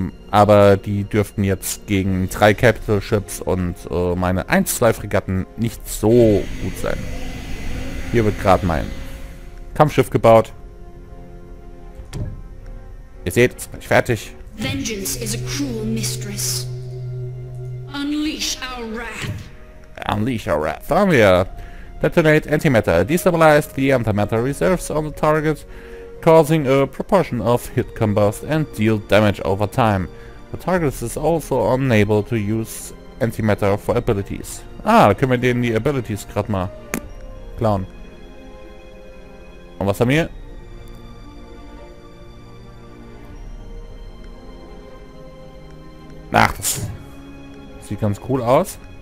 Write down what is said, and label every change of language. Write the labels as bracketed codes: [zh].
[de] Aber die dürften jetzt gegen 3 Capital Ships und meine 1-2 Fregatten nicht so gut sein. Hier wird gerade mein Kampfschiff gebaut. Ihr seht, jetzt bin ich fertig. [en] Vengeance is a cruel mistress. Unleash our wrath. Unleash our wrath. [de] Da haben wir. [en] Detonate antimatter. Destabilized the antimatter reserves on the target. Causing a proportion of hit combust and deal damage over time. The target is also unable to use antimatter for abilities. [de] Ah, da können wir denen die Abilities gerade mal klauen. Und was haben wir? Sieht ganz cool aus.